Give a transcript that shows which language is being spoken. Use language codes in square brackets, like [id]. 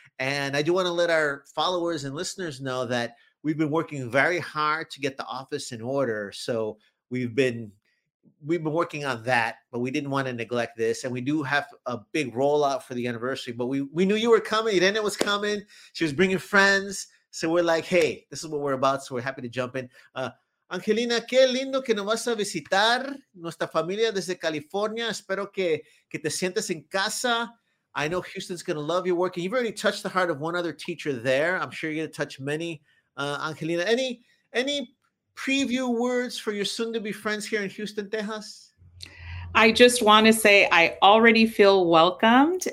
[en] And I do want to let our followers and listeners know that we've been working very hard to get the office in order. So we've been working on that, but we didn't want to neglect this. And we do have a big rollout for the anniversary, but we knew you were coming. Elena was coming. She was bringing friends. So we're like, hey, this is what we're about. So we're happy to jump in. [es] Angelina, qué lindo que nos vas a visitar nuestra familia desde California. Espero que te sientas en casa. [en] I know Houston's going to love your work. And you've already touched the heart of one other teacher there. I'm sure you're going to touch many. Angelina, any preview words for your soon-to-be friends here in Houston, Texas? I just want to say I already feel welcomed.